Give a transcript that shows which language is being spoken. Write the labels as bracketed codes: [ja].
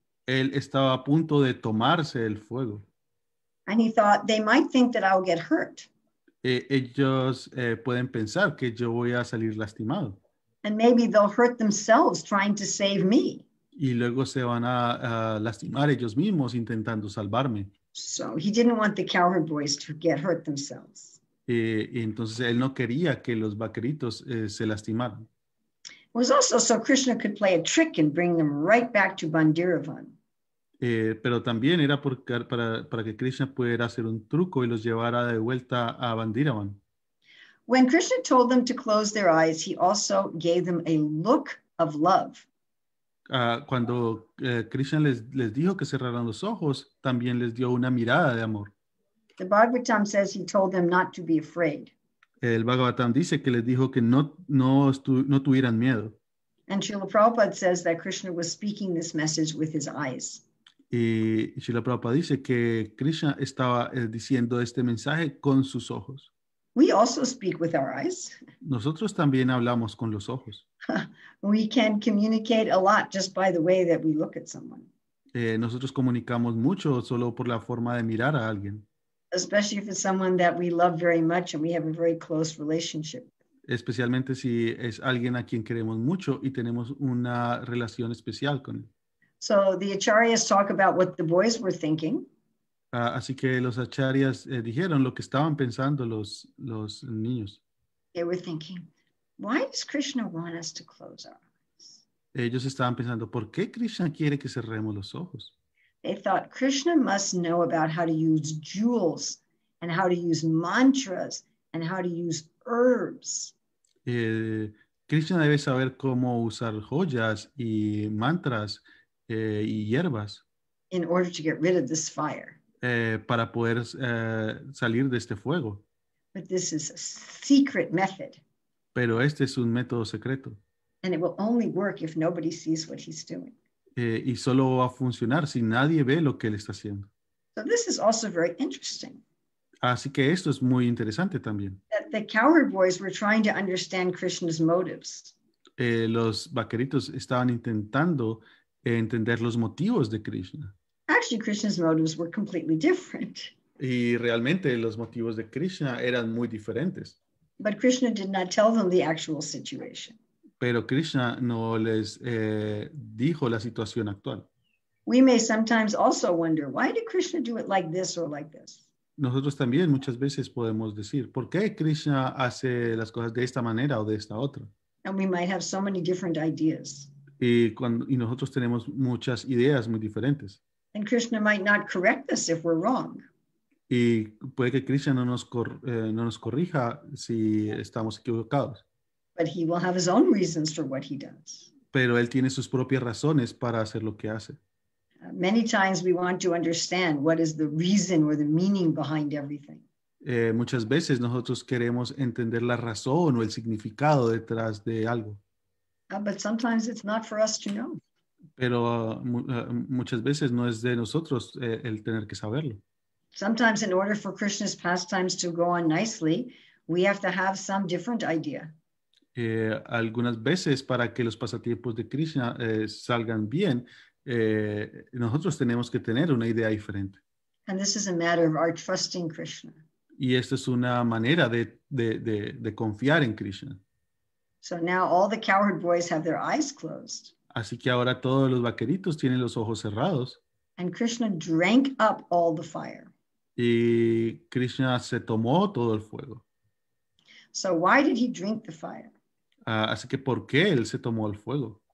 [es] Él estaba a punto de tomarse el fuego. [en] And he thought they might think that I'll get hurt. [es] Ellos pueden pensar que yo voy a salir lastimado. [en] And maybe they'll hurt themselves trying to save me. [es] Y luego se van a lastimar ellos mismos intentando salvarme. [en] So he didn't want the cowherd boys to get hurt themselves. [es] Y entonces él no quería que los vaqueritos se lastimaran. [en] It was also so Krishna could play a trick and bring them right back to Bandiravan. [es] Pero también era para que Krishna pudiera hacer un truco y los llevara de vuelta a Bandiravan. [en] When Krishna told them to close their eyes, he also gave them a look of love. [es] Cuando Krishna les dijo que cerraran los ojos, también les dio una mirada de amor. [en] The Bhagavatam says he told them not to be afraid. [es] El Bhagavatam dice que les dijo que no tuvieran miedo. [en] And Srila Prabhupada says that Krishna was speaking this message with his eyes. [es] Y Srila Prabhupada dice que Krishna estaba diciendo este mensaje con sus ojos. [en] We also speak with our eyes. [es] Nosotros también hablamos con los ojos. [en] We can communicate a lot just by the way that we look at someone. [es] Nosotros comunicamos mucho solo por la forma de mirar a alguien. [en] Especially if it's someone that we love very much and we have a very close relationship. [es] especialmente si es alguien a quien queremos mucho y tenemos una relación especial con él. [en] So the acharyas talk about what the boys were thinking. [es] Así que los acharyas dijeron lo que estaban pensando los niños. [en] They were thinking, why does Krishna want us to close our eyes? [es] Ellos estaban pensando, ¿por qué Krishna quiere que cerremos los ojos? [en] They thought Krishna must know about how to use jewels and how to use mantras and how to use herbs. [es] Krishna debe saber cómo usar joyas y mantras y hierbas. [en] In order to get rid of this fire. [es] Para poder salir de este fuego. [en] But this is a secret method. [es] Pero este es un método secreto. [en] And it will only work if nobody sees what he's doing. [es] Y solo va a funcionar si nadie ve lo que él está haciendo. [en] So this is also very interesting. [es] Así que esto es muy interesante también. [en] That the cowherd boys were trying to understand Krishna's motives. [es] Los vaqueritos estaban intentando entender los motivos de Krishna. [en] Actually, Krishna's motives were completely different. [es] Y realmente los motivos de Krishna eran muy diferentes. [en] But Krishna did not tell them the actual situation. [es] Pero Krishna no les dijo la situación actual. [en] We may sometimes also wonder, why did Krishna do it like this or like this? [es] Nosotros también muchas veces podemos decir, ¿por qué Krishna hace las cosas de esta manera o de esta otra? [en] And we might have so many different ideas. [es] Y nosotros tenemos muchas ideas muy diferentes. [en] And Krishna might not correct us if we're wrong. [es] Y puede que Krishna no nos corrija si estamos equivocados. [en] But he will have his own reasons for what he does. [es] Pero él tiene sus propias razones para hacer lo que hace. [en] Many times we want to understand what is the reason or the meaning behind everything. [es] Muchas veces nosotros queremos entender la razón o el significado detrás de algo. [en] But sometimes it's not for us to know. [es] Pero muchas veces no es de nosotros el tener que saberlo. [en] Sometimes in order for Krishna's pastimes to go on nicely, we have to have some different idea. [es] Algunas veces para que los pasatiempos de Krishna salgan bien, nosotros tenemos que tener una idea diferente. [en] And this is a matter of our trusting Krishna. [es] Y esto es una manera de confiar en Krishna. [en] So now all the cowherd boys have their eyes closed. [es] Así que ahora todos los vaqueritos tienen los ojos cerrados. [en] And Krishna drank up all the fire. [es] Y Krishna se tomó todo el fuego. [en] So why did he drink the fire? [es] Así que ¿por qué él se tomó el fuego?